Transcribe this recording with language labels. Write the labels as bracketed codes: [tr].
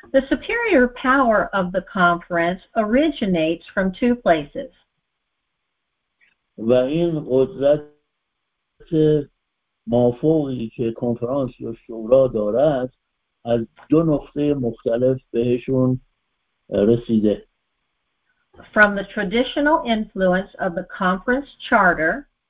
[en] The superior power of the conference originates from two places. [fa] و این قدرت مافوقی که کنفرانس یا شورا دارد از دو نقطه مختلف بهشون رسیده. [en] From the traditional influence of the conference charter.